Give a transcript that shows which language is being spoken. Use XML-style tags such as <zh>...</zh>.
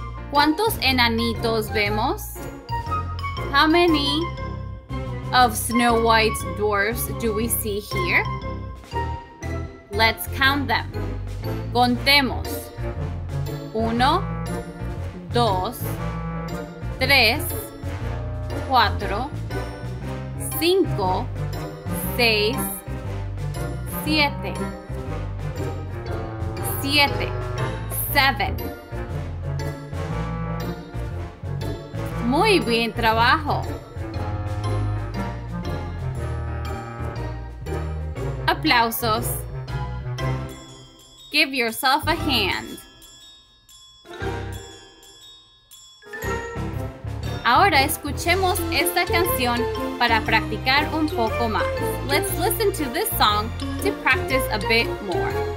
<es>¿Cuántos enanitos vemos?</es> <en>How many of Snow White's dwarfs do we see here? Let's count them.</en> <es>Contemos. Uno, dos, tres, cuatro, cinco, seis, siete. Siete. Seven. Muy bien trabajo. Aplausos.</es> <en>Give yourself a hand.</en> <es>Ahora escuchemos esta canción para practicar un poco más.</es> <en>Let's listen to this song to practice a bit more.</en>